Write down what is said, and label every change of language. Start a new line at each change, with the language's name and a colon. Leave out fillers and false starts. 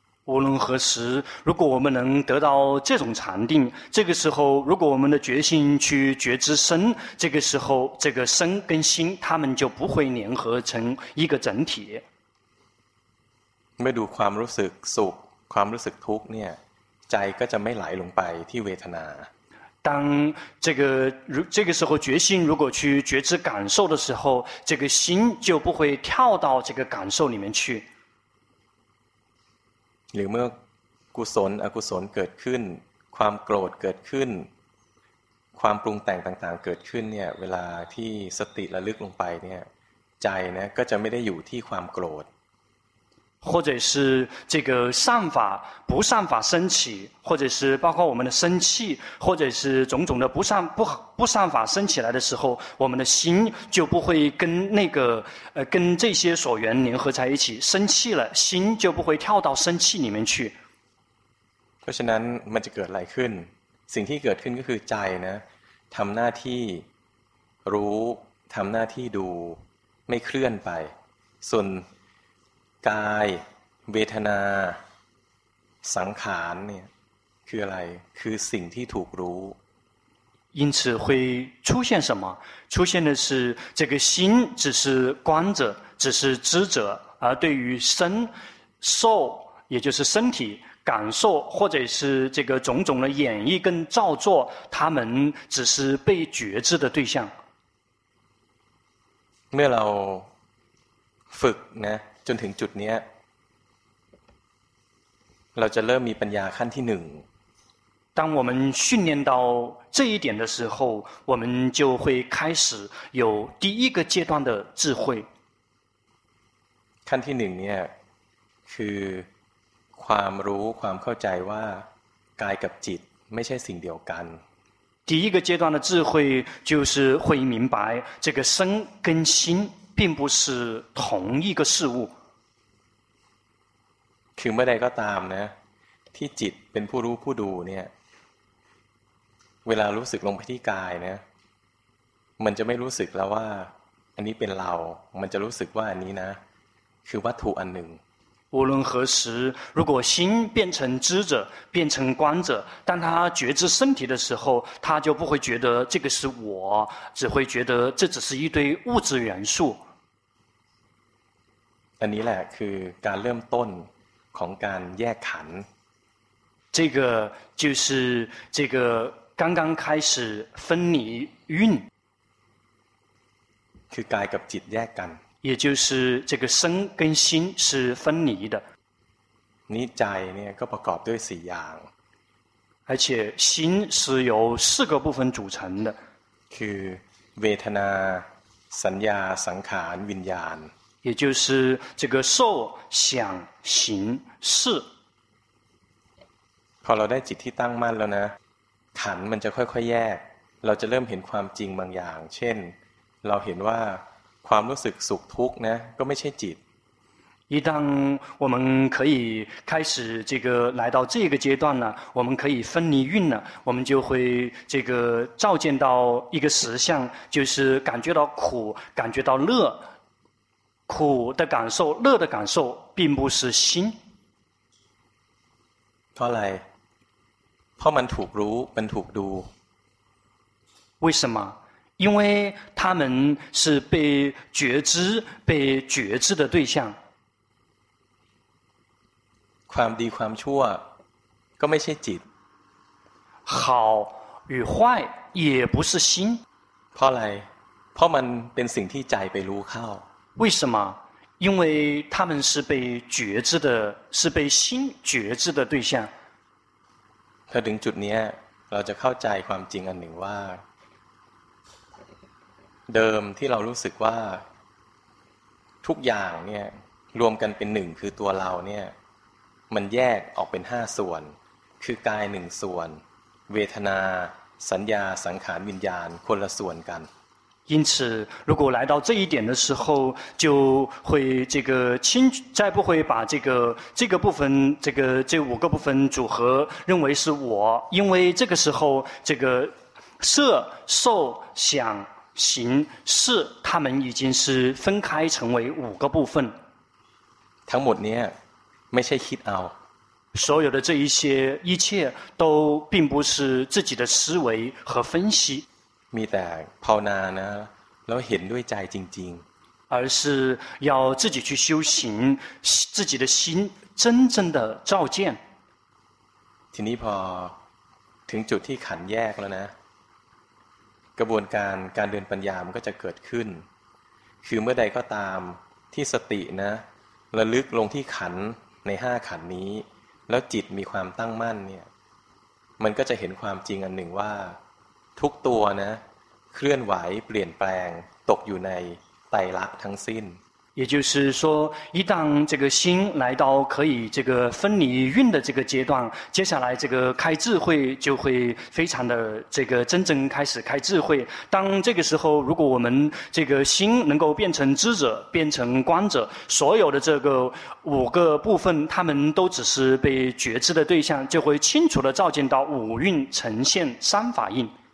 Chinese: 无论何时，如果我们能得到这种禅定，这个时候，如果我们的决心去觉知身，这个时候，这个身跟心，他们就不会联合成一个整体。
Thai: 没读ความรู้สึกสุขความรู้สึกทุกเนี่ยใจก็จะไม่ไหลลงไปที่เวทนา
Chinese: 当这个时候决心如果去觉知感受的时候，这个心就不会跳到这个感受里面去。
Thai: หรือเมื่อกุศลอกุศลเกิดขึ้นความโกรธเกิดขึ้นความปรุงแต่งต่างๆเกิดขึ้นเนี่ยเวลาที่สติระลึกลงไปเนี่ยใจนะก็จะไม่ได้อยู่ที่ความโกรธ
Chinese: 或者是这个善法不善法升起或者是包括我们的生气或者是种种的不善法升起来的时候我们的心就不会跟那个跟这些所缘联合在一起生气了心就不会跳到生气里面去
Thai: เพราะฉะนั้นมันจะเกิดอะไรขึ้นสิ่งที่เกิดขึ้นก็คือใจนะทำหน้าที่รู้ทำหน้าที่ดูไม่เคลื่อนไปส่วนกายเวทนาสังขารเนี่ยคืออะไรคือสิ่งที่ถูกรู้
Chinese: 因此会出现什么出现的是这个心只是观者只是知者而对于身受也就是身体感受或者是这个种种的演绎跟造作他们只是被觉知的对象
Thai: เมื่อเราฝึกนะจนถึงจุดนี้เราจะเริ่มมีปัญญาขั้นที่หนึ่ง
Chinese: 当我们训练到这一点的时候我们就会开始有第一个阶段的智慧
Thai: ขั้นที่หนึ่งเนี่ยคือความรู้ความเข้าใจว่ากายกับจิตไม่ใช่สิ่งเดียวกัน
Chinese: 第一个阶段的智慧就是会明白这个身跟心并不是同一个事物
Thai: คือเมื่อใดก็ตามนะที่จิตเป็นผู้รู้ผู้ดูเนี่ยเวลารู้สึกลงไปที่กายนะมันจะไม่รู้สึกแล้วว่าอันนี้เป็นเรามันจะรู้สึกว่าอันนี้นะคือวัตถุอันหนึ่ง
Chinese: 无论何时如果心变成知者变成观者当他觉知身体的时候他就不会觉得这个是我只会觉得这只是一堆物质元素
Thai: อันนี้แหละคือการเริ่มต้นของการแยกขันธ์
Chinese: 这个就是这个刚刚开始分离运
Thai: คือกายกับจิตแยกกัน
Chinese: เยจือซึ่งเจ้าเซ็งกับซิน是分离的
Thai: นี่ใจเนี่ยก็ประกอบด้วย4อย่าง
Chinese: 而且心是由4个部分组成的
Thai: คือเวทนาสัญญาสังขารวิญญาณ
Chinese: 也就是这个受想行识
Thai: พอเราได้จิตที่ตั้งมั่นแล้วนะขันมันจะค่อยๆแยกเราจะเริ่มเห็นความจริงบางอย่างเช่นเราเห็นว่า ความรู้สึกสุขทุกข์นะก็ไม่ใช่จิต
Chinese: 一旦我们可以开始这个来到这个阶段了我们可以分离蕴了我们就会这个照见到一个实相就是感觉到苦感觉到乐苦的感受乐的感受并不是心
Thai: เพราะอะไรเพราะมันถูกรู้มันถูกดู
Chinese: 为什么因为他们是被觉知被觉知的对象
Thai: ความดีความชั่วก็ไม่ใช่จิต
Chinese: 好与坏也不是心
Thai: เพราะอะไรเพราะมันเป็นสิ่งที่ใจไปรู้เข้า
Chinese: 为什么因为他们是被觉知的是被心觉知的对象
Thai: ถ้าถึงจุดนี้เราจะเข้าใจความจริงอันหนึ่งว่าเดิมที่เรารู้สึกว่าทุกอย่างเนี่ยรวมกันเป็นหนึ่งคือตัวเราเนี่ยมันแยกออกเป็น5ส่วนคือกาย1ส่วนเวทนาสัญญาสังขารวิญญาณคนละส่วนกัน
Chinese: 因此如果来到这一点的时候就会这个清再不会把这个部分这五个部分组合认为是我因为这个时候这个色受想行识他们已经是分开成为五个部分
Thai: ทั้งหมดเนี่ยไม่ใช่คิดเอา
Chinese: 所有的这一些一切都并不是自己的思维和分析
Thai: มีแต่ภาวนานะแล้วเห็นด้วยใจจริง
Chinese: ๆ而是要自己去修行自己的心真正的照见
Thai: ทีนี้พอถึงจุดที่ขันแยกแล้วนะกระบวนการการเดินปัญญามันก็จะเกิดขึ้นคือเมื่อใดก็ตามที่สตินะระลึกลงที่ขันธ์ใน5ขันธ์นี้แล้วจิตมีความตั้งมั่นเนี่ยมันก็จะเห็นความจริงอันหนึ่งว่าทุกตัวนะเคลื่อนไหวเปลี่ยนแปลงตกอยู่ในไตรลักษณ์ทั้งสิ้น
Chinese: 也就是说一旦这个心来到可以这个分离蕴的这个阶段接下来这个开智慧就会非常的这个真正开始开智慧当这个时候如果我们这个心能够变成知者变成观者所有的这个五个部分他们都只是被觉知的对象就会清楚地照见到五蕴呈现三法印